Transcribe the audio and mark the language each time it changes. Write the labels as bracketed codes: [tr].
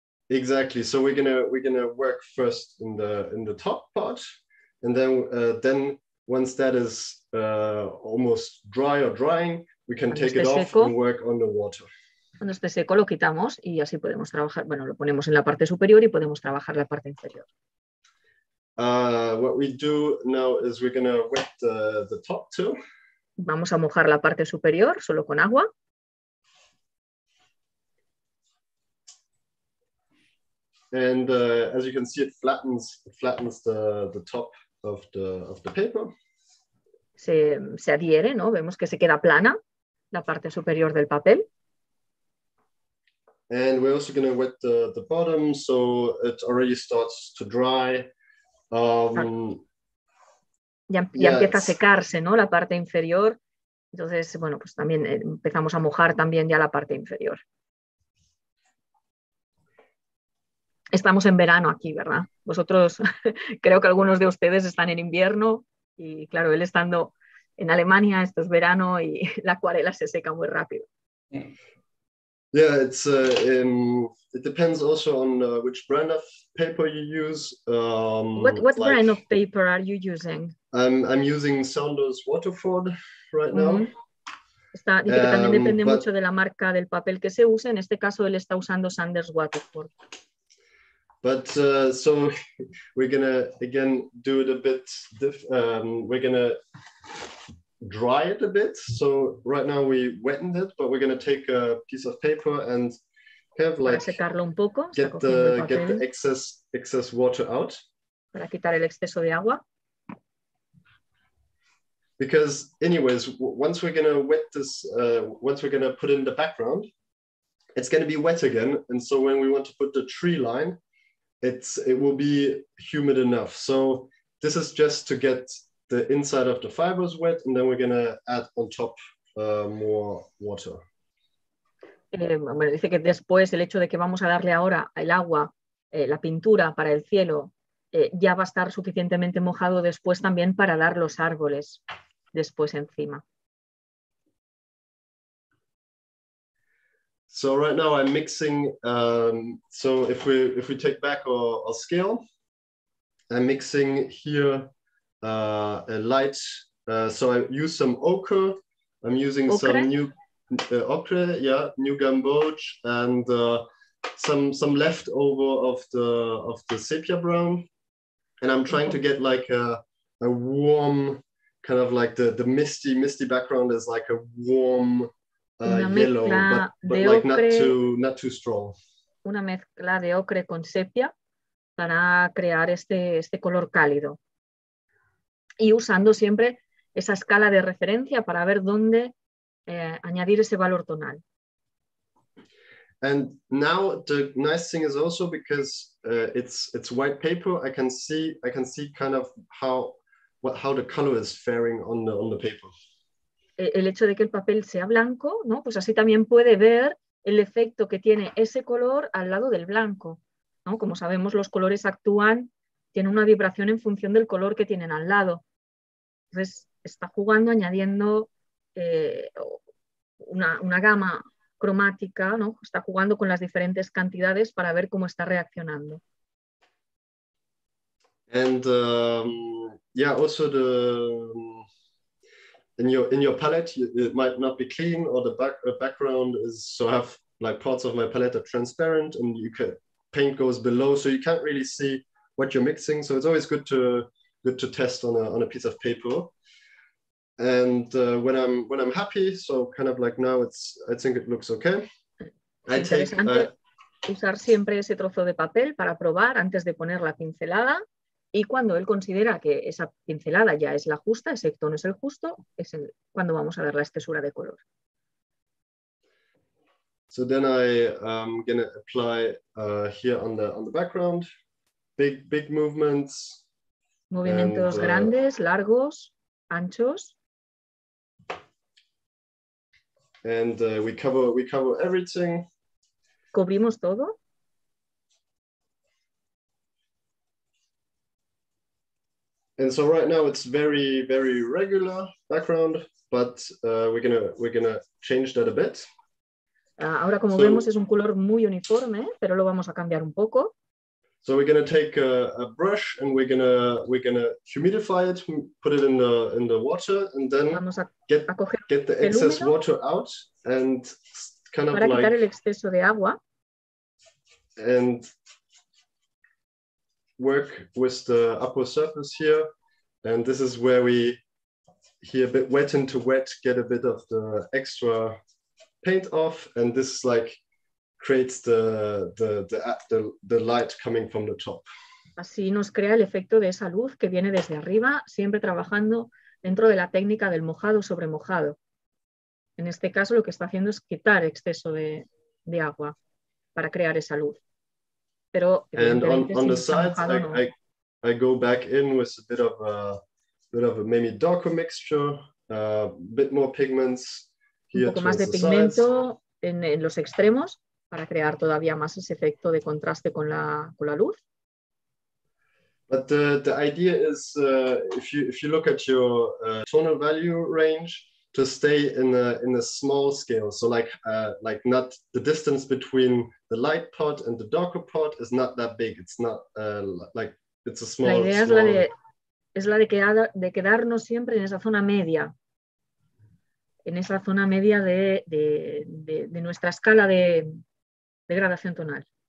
[en] Exactly. So we're gonna work first in the top part, and then once that is almost dry or drying, we can take it off and work on the water. [es] Cuando esté seco lo quitamos y así podemos trabajar. Bueno, lo ponemos en la parte superior y podemos trabajar la parte inferior. [en] What we do now is we're gonna wet the top too. [es] Vamos a mojar la parte superior solo con agua. [en] And as you can see, it flattens the top of the paper. [es] Se adhiere, ¿no? Vemos que se queda plana la parte superior del papel. [en] And we're also going to wet the bottom, so it already starts to dry. [es] Ya empieza a secarse, ¿no? La parte inferior. Entonces, bueno, pues también empezamos a mojar también ya la parte inferior. Estamos en verano aquí, ¿verdad? Vosotros, creo que algunos de ustedes están en invierno y claro, él estando en Alemania, esto es verano y la acuarela se seca muy rápido. [en] Yeah, it's it depends also on which brand of paper you use. What like, brand of paper are you using? I'm using Saunders Waterford right now. Mm-hmm. [es] Está, dice que también depende mucho de la marca del papel que se use. En este caso, él está usando Saunders Waterford. [en] But so we're gonna again do it a bit. We're gonna dry it a bit. So right now we wetted it, but we're gonna take a piece of paper and kind of like [es] secarlo un poco, [en] get the excess water out. [es] Para quitar el exceso de agua. [en] Because anyways, once we're gonna wet this, once we're gonna put in the background, it's gonna be wet again. And so when we want to put the tree line, it will be humid enough. So this is just to get the inside of the fibers wet, and then we're going to add on top more water. [es] Bueno, dice que después el hecho de que vamos a darle ahora el agua, la pintura para el cielo, ya va a estar suficientemente mojado después también para dar los árboles después encima. [en] So right now I'm mixing. So if we take back our scale, I'm mixing here a light. So I use some ochre. I'm using ochre. Some new ochre. Yeah, new gamboge and some leftover of the sepia brown. And I'm trying to get like a warm kind of like the misty background is like a warm. Yellow, but like not too strong. [es] Una mezcla de ocre con sepia para crear este color cálido. Y usando siempre esa escala de referencia para ver dónde añadir ese valor tonal. [en] And now the nice thing is also because it's white paper, I can see kind of how the color is faring on the paper. [es] El hecho de que el papel sea blanco, ¿no? Pues así también puede ver el efecto que tiene ese color al lado del blanco, ¿no? Como sabemos, los colores actúan, tienen una vibración en función del color que tienen al lado. Entonces, está jugando, añadiendo una gama cromática, ¿no? Está jugando con las diferentes cantidades para ver cómo está reaccionando. [en] And also the in your palette it might not be clean, or the background is, so I have like parts of my palette are transparent and you can paint goes below, so you can't really see what you're mixing. So it's always good to test on a piece of paper. And when I'm happy, so kind of like now it's, I think it looks okay. I take [es] usar siempre ese trozo de papel para probar antes de poner la pincelada. Y cuando él considera que esa pincelada ya es la justa, ese tono es el justo, es el, cuando vamos a ver la espesura de color. [en] So then I am going to apply here on the background, big movements. [es] Movimientos and, grandes, largos, anchos. [en] And we cover everything. [es] Cubrimos todo. [en] And so right now it's very, very regular background, but we're gonna change that a bit. [es] Ahora, como vemos, es un color muy uniforme, pero lo vamos a cambiar un poco. [en] So we're gonna take a brush and we're gonna humidify it, put it in the water, and then get the excess water out and kind of like. [es] Para quitar el exceso de agua. [en] And work with the upper surface here, and this is where we here a bit wet into wet, get a bit of the extra paint off, and this like creates the light coming from the top. [es] Así nos crea el efecto de esa luz que viene desde arriba, siempre trabajando dentro de la técnica del mojado sobre mojado. En este caso lo que está haciendo es quitar exceso de agua para crear esa luz. Pero, [en] and on the sides, I go back in with a bit of a maybe darker mixture, a bit more pigments here. [es] Un poco más de pigmento en los extremos para crear todavía más ese efecto de contraste con la luz. [en] But the idea is if you look at your tonal value range, to stay in a small scale, so like not the distance between the light part and the darker part is not that big. It's not like it's a small. [es] La idea [en] small... [es] es la de quedarnos siempre en esa zona media, en esa zona media de nuestra escala de gradación tonal.